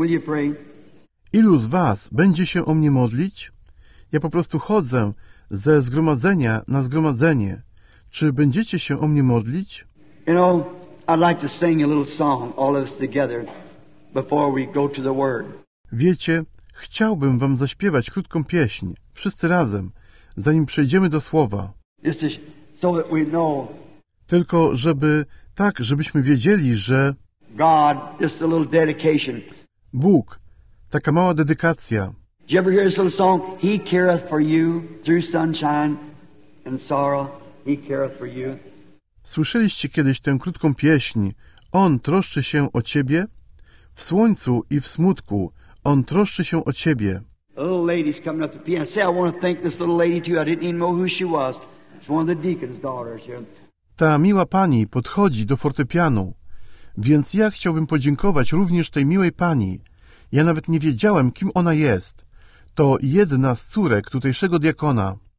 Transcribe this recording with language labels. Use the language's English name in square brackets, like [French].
[English] Will you pray? [Polish] Ilu z was będzie się o mnie modlić? Ja po prostu chodzę ze zgromadzenia na zgromadzenie. Czy będziecie się o mnie modlić? [English] You know, I'd like to sing a little song, all of us together, before we go to the Word. [Polish] Wiecie, chciałbym wam zaśpiewać krótką pieśń, wszyscy razem, zanim przejdziemy do Słowa. [English] Just so that we know. [Polish] Tylko żeby, tak, żebyśmy wiedzieli, że [English] God, just a little dedication. [Polish] Bóg, taka mała dedykacja. [English] Did you ever hear this little song? He careth for you through sunshine and sorrow. He careth for you. [Polish] Słyszeliście kiedyś tę krótką pieśń? On troszczy się o ciebie? W słońcu i w smutku on troszczy się o ciebie. [English] A little lady's coming up to the piano. Say, I want to thank this little lady too. I didn't even know who she was. She's one of the deacon's daughters here. [Polish] Ta miła pani podchodzi do fortepianu. Więc ja chciałbym podziękować również tej miłej pani. Ja nawet nie wiedziałem, kim ona jest. To jedna z córek tutejszego diakona.